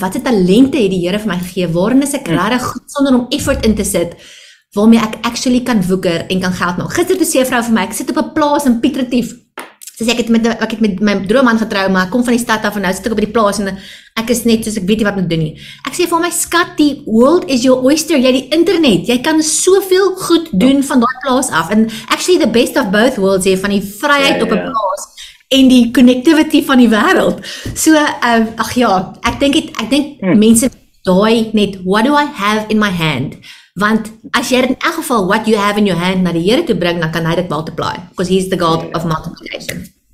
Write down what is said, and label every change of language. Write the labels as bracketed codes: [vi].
[af] Wat se talente het die Here vir my gegee? Waarin is ek regtig goed sonder om effort in te sit? Waarmee ek actually kan woeker en kan geld maak. Gister toe sê 'n vrou vir my, ek sit op 'n plaas in Piet Retief. Sy sê ek het met my droomman getrou, maar ek kom van die stad af en nou sit ek op die plaas en ek is net soos ek weet nie wat om doen nie. Ek sê vir my skat, die [en] world is your oyster. [af] Jy het die internet. Jy kan soveel goed doen van daai plaas af. [en] And actually the best of both worlds [af] hier van die vryheid op 'n plaas en die connectivity van die wêreld. So ek dink mense daai net [en] what do I have in my hand? [af] Want as jy in elk geval [en] what you have in your hand [af] na die Here toe bring, dan kan hy dit multiply. [en] Because he's the God of multiplication.